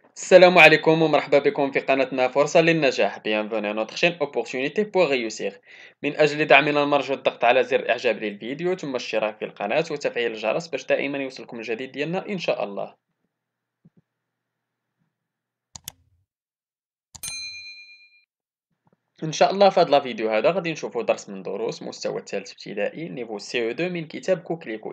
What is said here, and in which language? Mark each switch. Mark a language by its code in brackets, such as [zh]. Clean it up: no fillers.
[ar] السلام عليكم ومرحبا بكم في قناتنا فرصة للنجاح. [fr] Bienvenue à notre chaîne Opportunité pour réussir. [ar] من أجل دعمنا نرجو الضغط على زر إعجاب للفيديو ثم الاشتراك في القناة وتفعيل الجرس باش دائما يوصلكم الجديد ديالنا إن شاء الله. إن شاء الله في هذا الفيديو هذا غادي نشوفوا درس من دروس مستوى الثالث ابتدائي نيفو CE2 من كتاب كوكليكو.